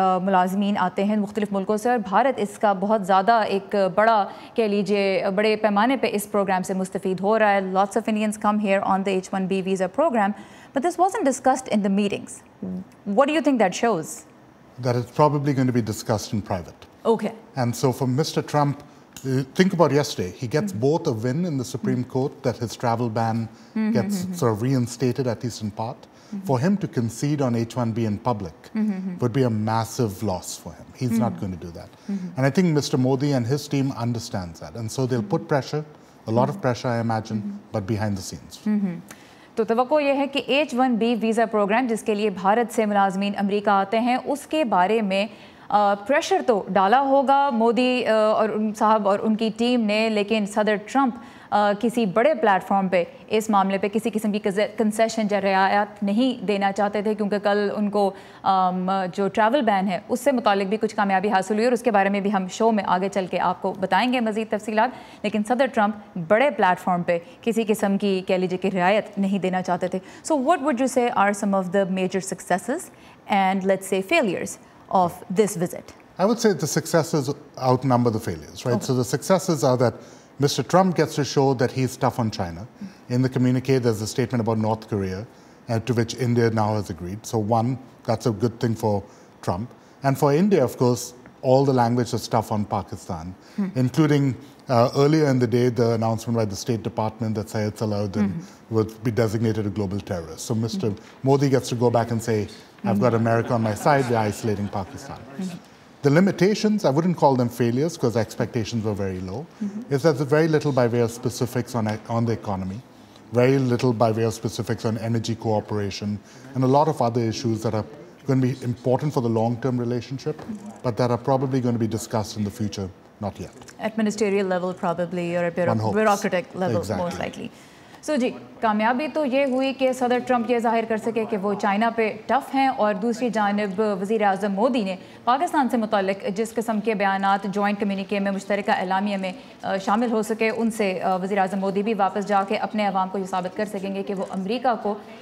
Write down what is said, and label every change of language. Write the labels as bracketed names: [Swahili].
[Urdu] ملازمین آتے ہیں مختلف ملکوں سے، اور بھارت اس کا بہت زیادہ ایک بڑا کہہ لیجیے بڑے پیمانے پہ اس پروگرام سے مستفید ہو رہا ہے۔ Lots of Indians come here on the H-1B visa programme, but this wasn't discussed in the meetings. What do you think that shows? [English] That is probably going to be discussed in private. Okay. And so for mister Trump, think about yesterday, he gets both a win in the Supreme Court that his travel ban gets sort of reinstated at least in part. For him to concede on H-1B in public would be a massive loss for him. He's not going to do that. And I think Mr. Modi and his team understands that. And so they'll put pressure, a lot of pressure I imagine, but behind the scenes. [Urdu] تو توقع یہ ہے کہ H-1B visa programme جس کے لیے بھارت سے ملازمین امریکہ آتے ہیں اس کے بارے میں پریشر تو ڈالا ہوگا مودی اور ان صاحب اور ان کی ٹیم نے، لیکن صدر ٹرمپ کسی بڑے پلیٹ فارم پہ اس معاملے پہ کسی قسم کی کنسیشن یا رعایت نہیں دینا چاہتے تھے، کیونکہ کل ان کو جو ٹریول بین ہے اس سے متعلق بھی کچھ کامیابی حاصل ہوئی، اور اس کے بارے میں بھی ہم شو میں آگے چل کے آپ کو بتائیں گے مزید تفصیلات، لیکن صدر ٹرمپ بڑے پلیٹ فارم پہ کسی قسم کی کہہ لیجیے کہ رعایت نہیں دینا چاہتے تھے۔ [English] So what would you say are some of the major successes and let's say failures of this visit? I would say the successes outnumber the failures, right? Okay. So the successes are that Mr. Trump gets to show that he's tough on China. In the communique, there's a statement about North Korea, to which India now has agreed. So one, that's a good thing for Trump. And for India, of course, all the language is tough on Pakistan, including earlier in the day, the announcement by the State Department that Syed Salahuddin would be designated a global terrorist. So Mr. Modi gets to go back and say, I've got America on my side, we're isolating Pakistan. The limitations, I wouldn't call them failures because the expectations were very low, is that there's very little by way of specifics on the economy, very little by way of specifics on energy cooperation, and a lot of other issues that are going to be important for the long-term relationship, but that are probably going to be discussed in the future, not yet. At ministerial level, probably, or at bureaucratic level, exactly. Most likely. [Urdu] سو جی، کامیابی تو یہ ہوئی کہ صدر Trump یہ ظاہر کر سکے کہ وہ چائنا پہ ٹف ہیں، اور دوسری جانب وزیر اعظم مودی نے پاکستان سے متعلق جس قسم کے بیانات جوائنٹ کمیونیکے میں مشترکہ اعلامیہ میں شامل ہو سکے، ان سے وزیر اعظم مودی بھی واپس جا کے اپنے عوام کو یہ ثابت کر سکیں گے کہ وہ امریکہ کو